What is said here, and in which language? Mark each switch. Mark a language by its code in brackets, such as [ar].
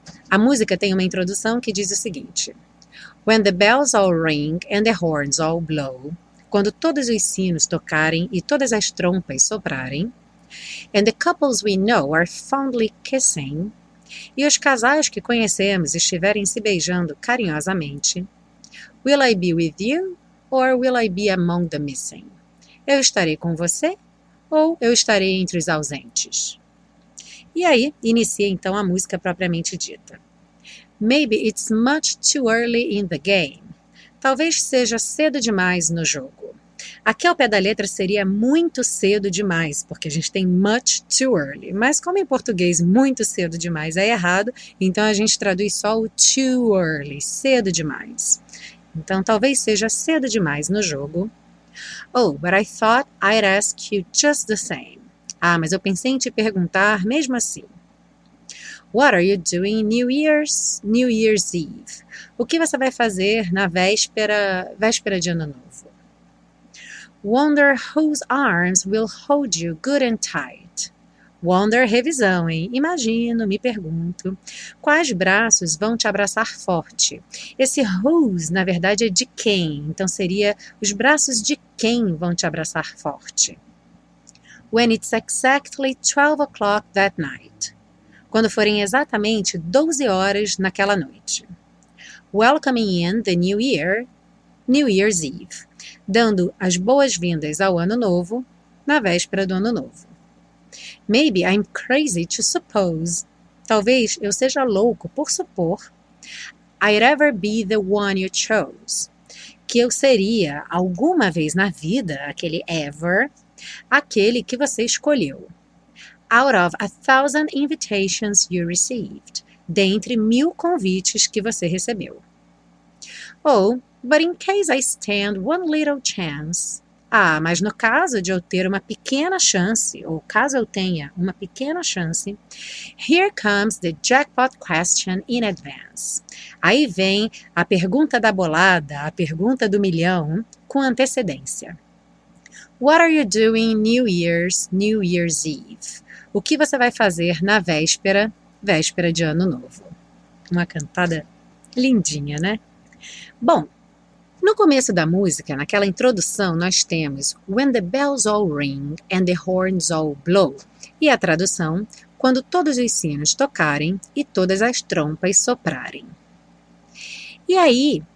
[en] A música tem uma introdução que diz o seguinte: When the bells all ring and the horns all blow, quando todos os sinos tocarem e todas as trompas soprarem, and the couples we know are fondly kissing, e os casais que conhecemos estiverem se beijando carinhosamente, will I be with you or will I be among the missing? [pt] Eu estarei com você ou eu estarei entre os ausentes? E aí, inicia então a música propriamente dita. [en] Maybe it's much too early in the game. [pt] Talvez seja cedo demais no jogo. Aqui ao pé da letra seria muito cedo demais, porque a gente tem much too early. Mas como em português muito cedo demais é errado, então a gente traduz só o too early, cedo demais. Então talvez seja cedo demais no jogo. [en] Oh, but I thought I'd ask you just the same. [pt] Ah, mas eu pensei em te perguntar mesmo assim. [en] What are you doing New Year's Eve? [pt] O que você vai fazer na véspera de ano novo? [en] Wonder whose arms will hold you good and tight. [pt] Wonder, revisão, hein? Imagino, me pergunto. Quais braços vão te abraçar forte? Esse whose, na verdade, é de quem? Então seria os braços de quem vão te abraçar forte? [en] When it's exactly 12 o'clock that night. [pt] Quando forem exatamente 12 horas naquela noite. [en] Welcoming in the new year, New Year's Eve. [pt] Dando as boas-vindas ao ano novo, na véspera do ano novo. Maybe I'm crazy to suppose, talvez eu seja louco por supor, I'd ever be the one you chose, que eu seria alguma vez na vida, aquele ever, aquele que você escolheu. [en] Out of 1,000 invitations you received, dentre 1.000 convites que você recebeu. Ou, but in case I stand one little chance. [pt] Ah, mas no caso de eu ter uma pequena chance, ou caso eu tenha uma pequena chance, here comes the jackpot question in advance. Aí vem a pergunta da bolada, a pergunta do milhão, com antecedência. [en] What are you doing New Year's Eve? [pt] O que você vai fazer na véspera de ano novo? Uma cantada lindinha, né? Bom, no começo da música, naquela introdução, nós temos When the bells all ring and the horns all blow. E a tradução, quando todos os sinos tocarem e todas as trompas soprarem. E aí,